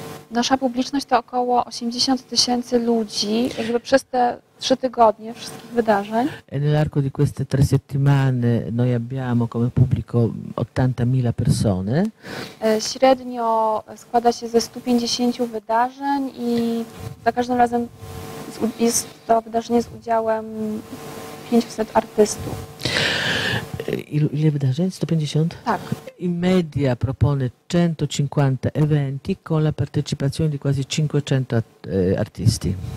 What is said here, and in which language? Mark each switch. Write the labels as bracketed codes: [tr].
[pl] Nasza publiczność to około 80 tysięcy ludzi, jakby przez te 3 tygodnie wszystkich wydarzeń. [it] E nell'arco di queste 3 settimane noi abbiamo come pubblico 80.000 persone. [pl] Średnio składa się ze 150 wydarzeń i za każdym razem jest to wydarzenie z udziałem 500 artystów. Ile wydarzeń? 150? Tak. [it] In media propone 150 eventi con la partecipazione di quasi 500 artisti.